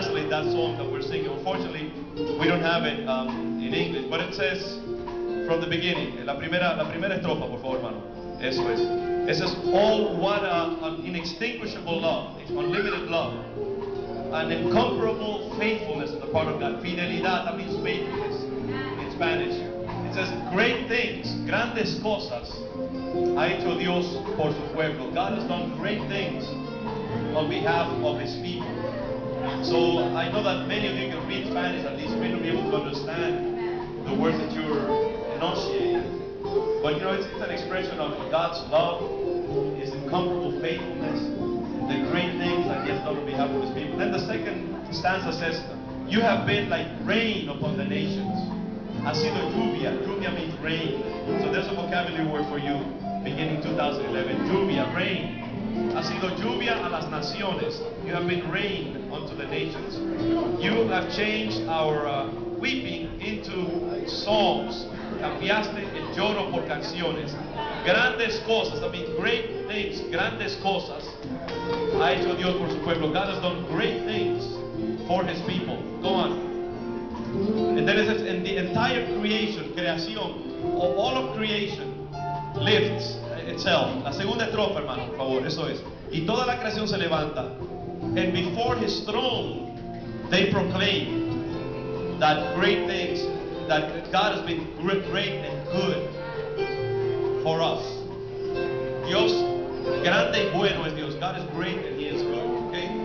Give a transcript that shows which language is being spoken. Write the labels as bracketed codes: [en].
[en] that song that we're singing. Unfortunately, we don't have it in English, but it says from the beginning. [es] La primera estrofa, por favor, hermano. Eso es. [en] It says, oh, what an inextinguishable love, unlimited love, an incomparable faithfulness on the part of God. Fidelidad, that means faithfulness in Spanish. It says, great things, [es] grandes cosas, ha hecho Dios por su pueblo. [en] God has done great things on behalf of his people. So I know that many of you can read Spanish, at least many of you will be able to understand the words that you're enunciating. But you know, it's an expression of God's love, his incomparable faithfulness, the great things that he has done on behalf of his people. Then the second stanza says, you have been like rain upon the nations. [es] Ha sido lluvia. [en] Lluvia means rain. So there's a vocabulary word for you beginning 2011. Lluvia, rain. [es] Ha sido lluvia a las naciones. [en] You have been rain unto the nations. You have changed our weeping into songs. [es] Cambiaste el lloro por canciones. Grandes cosas, [en] I mean great things, [es] grandes cosas ha hecho Dios por su pueblo. [en] God has done great things for his people. Go on. And then it says, and the entire creation, creación, or all of creation lifts itself. [es] La segunda estrofa, hermano, por favor, eso es. Y toda la creación se levanta. [en] And before his throne, they proclaim that great things, that God has been great and good for us. [es] Dios, grande y bueno es Dios. [en] God is great and he is good, okay?